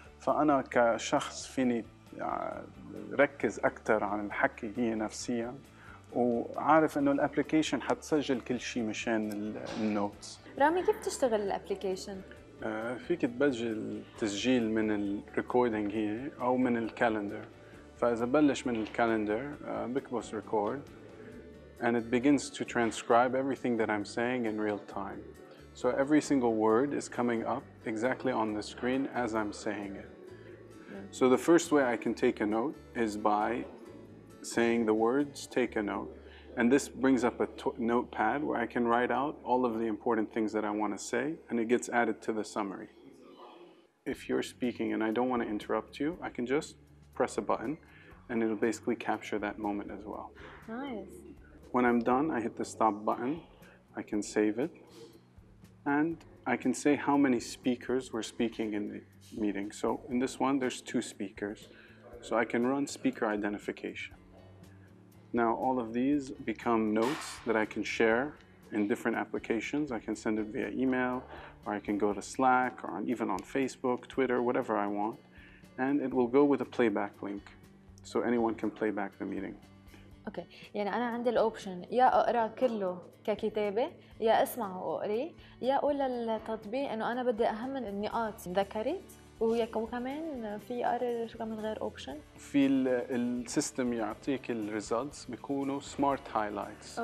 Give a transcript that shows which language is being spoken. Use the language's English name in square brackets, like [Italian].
[Arabic] فأنا كشخص فيني ركز أكثر عن الحكي هي نفسياً وعارف إنه الأبليكيشن حتسجل كل شيء مشان النوتس. رامي، كيف تشتغل الأبليكيشن؟ فيك تبجل التسجيل من الريكوردينج هي أو من الكالندر، فإذا بلش من الكالندر بكبس ريكورد [English] and it begins to transcribe everything that I'm saying in real time. So every single word is coming up exactly on the screen as I'm saying it. So the first way I can take a note is by saying the words take a note. And this brings up a notepad where I can write out all of the important things that I want to say and it gets added to the summary. If you're speaking and I don't want to interrupt you, I can just press a button and it'll basically capture that moment as well. Nice. When I'm done, I hit the stop button. I can save it. And I can say how many speakers were speaking in the meeting. So in this one, there's 2 speakers. So I can run speaker identification. Now all of these become notes that I can share in different applications. I can send it via email, or I can go to Slack, or even on Facebook, Twitter, whatever I want. And it will go with a playback link, so anyone can play back the meeting. [Arabic] اوكي، يعني انا عندي الاوبشن يا اقرا كله ككتابه، يا اسمعه واقري، يا اقول للتطبيق انه انا بدي اهم النقاط ذكرت، ويا كمان في اقرر شو كمان غير اوبشن في السيستم يعطيك الريزلتس بيكونوا سمارت هايلايتس.